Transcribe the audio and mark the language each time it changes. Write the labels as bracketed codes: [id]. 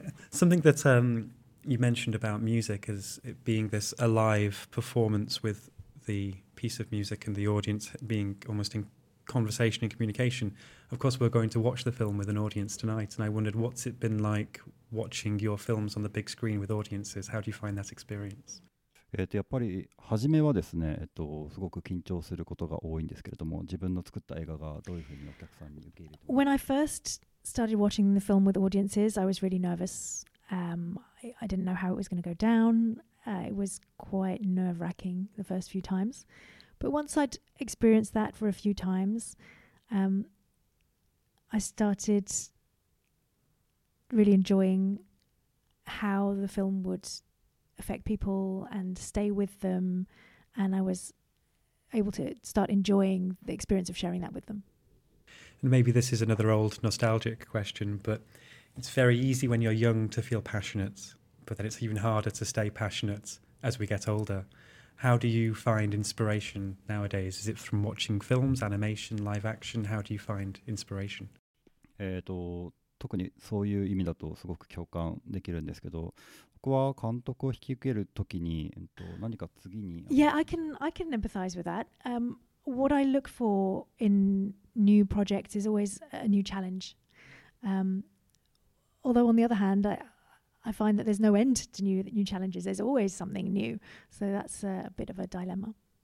[en] Something that you mentioned about music as it being this alive performance with the piece of music and the audience being almost in conversation and communication. Of course, we're going to watch the film with an audience tonight, and I wondered what's it been like watching your films on the big screen with audiences? How do you find that experience? [ja] やっぱり初めはですね、すごく緊張することが多いんですけれども、自分の作った映画がどういうふうにお客さんに受け入れて。 [en] When I first started watching the film with audiences, I was really nervous. I didn't know how it was going to go down. It was quite nerve-wracking the first few times. But once I'd experienced that for a few times, I started really enjoying how the film would. Affect people and stay with them, and I was able to start enjoying the experience of sharing that with them. And maybe this is another old nostalgic question, but it's very easy when you're young to feel passionate, but then it's even harder to stay passionate as we get older. How do you find inspiration nowadays? Is it from watching films, animation, live action? How do you find inspiration? [ja] 特にそういう意味だとすごく共感できるんですけど、僕は監督を引き受けるときに、何か次に。 [en] Yeah, I can empathize with that. What I look for in new projects is always a new challenge. Although on the other hand, I find that there's no end to new challenges. There's always something new. So that's a bit of a dilemma.